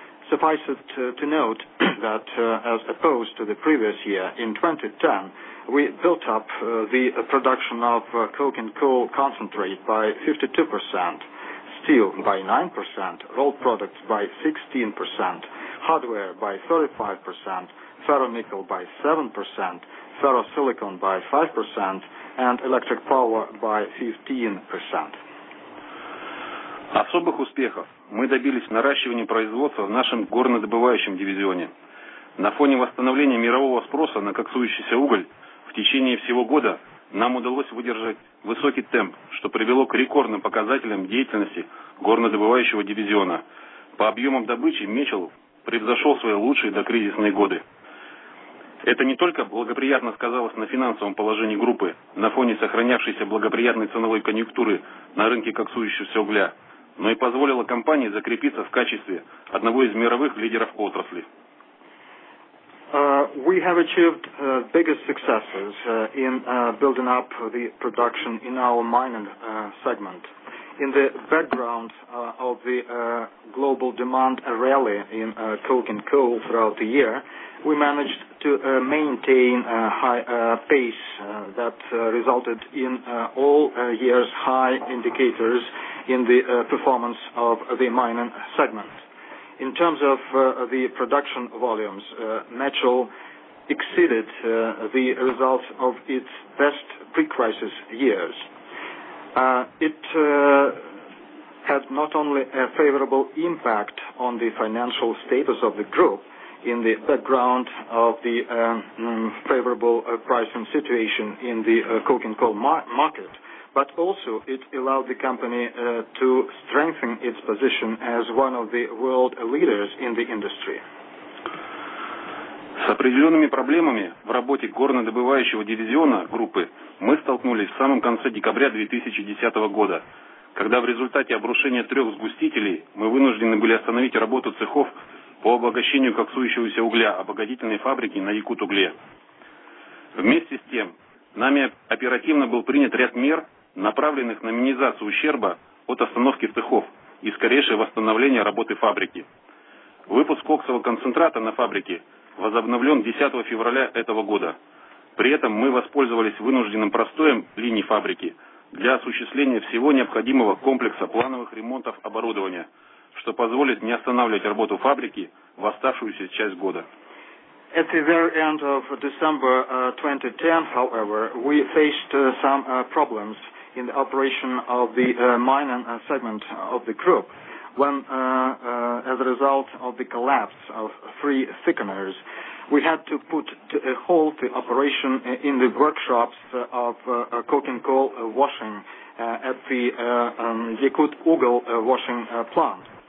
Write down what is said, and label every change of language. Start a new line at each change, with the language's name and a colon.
English: Suffice it to note that, as opposed to the previous year, in 2010, we built up the production of coke and coal concentrate by 52%, steel by 9%, rolled products by 16%, hardware by 35%, ferronickel by 7%, ferrosilicon by 5%, and electric power by 15%.
Russian: Особых успехов мы добились наращивания производства в нашем горнодобывающем дивизионе. На фоне восстановления мирового спроса на коксующийся уголь в течение всего года нам удалось выдержать высокий темп, что привело к рекордным показателям деятельности горнодобывающего дивизиона. По объемам добычи Мечел превзошел свои лучшие докризисные годы. Это не только благоприятно сказалось на финансовом положении группы на фоне сохранявшейся благоприятной ценовой конъюнктуры на рынке коксующегося угля, но и позволило компании закрепиться в качестве одного из мировых лидеров отрасли.
English: We have achieved biggest successes in building up the production in our mining segment. In the background of the global demand rally in coke and coal throughout the year, we managed to maintain a high pace that resulted in all year's high indicators in the performance of the mining segment. In terms of the production volumes, Mechel exceeded the results of its best pre-crisis years. It had not only a favorable impact on the financial status of the group in the background of the favorable pricing situation in the coke and coal market, but also it allowed the company to strengthen its position as one of the world leaders in the industry.
Russian: С определенными проблемами в работе горнодобывающего дивизиона группы мы столкнулись в самом конце декабря 2010 года, когда в результате обрушения трех сгустителей мы вынуждены были остановить работу цехов по обогащению коксующегося угля обогатительной фабрики на Якутугле. Вместе с тем, нами оперативно был принят ряд мер, направленных на минимизацию ущерба от остановки цехов и скорейшее восстановление работы фабрики. Выпуск коксового концентрата на фабрике возобновлен 10 февраля этого года. При этом мы воспользовались вынужденным простоем линий фабрики для осуществления всего необходимого комплекса плановых ремонтов оборудования, что позволит не останавливать работу фабрики в оставшуюся часть года.
English: At the very end of December 2010, however, we faced some problems in the operation of the mining segment of the group when, as a result of the collapse of three thickeners, we had to put a halt to operation in the workshops of coking coal washing at the Yakut Ugal washing plant.